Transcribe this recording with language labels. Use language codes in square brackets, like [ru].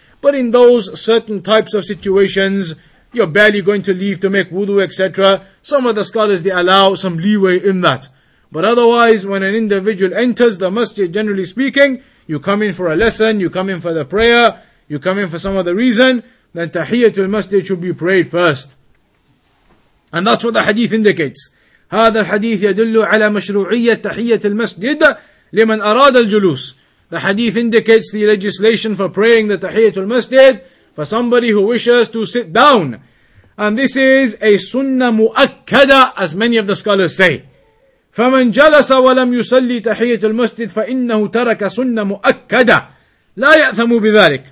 [en] But in those certain types of situations, you're barely going to leave to make wudu, etc. Some of the scholars, they allow some leeway in that. But otherwise, when an individual enters the masjid, generally speaking, you come in for a lesson, you come in for the prayer, you come in for some other reason, then tahiyyatul masjid should be prayed first. And that's what the hadith indicates. [ar] هذا الحديث يدل على مشروعية تحية المسجد لمن أراد الجلوس. [en] The hadith indicates the legislation for praying the Tahiyyatul Masjid for somebody who wishes to sit down. And this is a sunnah mu'akkada, as many of the scholars say. [ar] فَمَنْ جَلَسَ وَلَمْ يُسَلِّ تَحِيَّةُ الْمَسْجِدِ فَإِنَّهُ تَرَكَ سُنَّ مُؤَكَّدَ لَا يَأْثَمُ بِذَلِكَ.